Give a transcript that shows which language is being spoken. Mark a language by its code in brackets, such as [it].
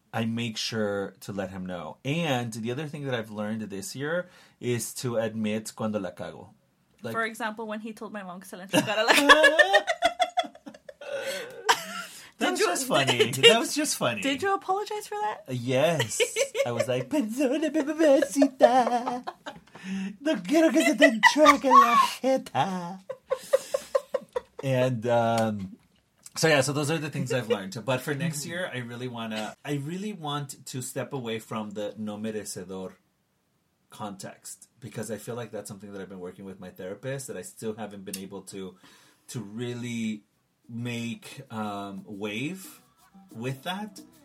[en] I make sure to let him know. And the other thing that I've learned this year is to admit [es] cuando la cago. [en] Like, for example, when he told my mom [es] que se la enchugara la... [en] That was just funny. Did you apologize for that? Yes. I was like, [es] perdona, bebecita. No quiero que se te enchugue la jeta. [en] And... So those are the things I've learned. But for next year, I really want to step away from the no merecedor context. Because I feel like that's something that I've been working with my therapist that I still haven't been able to really make wave with that.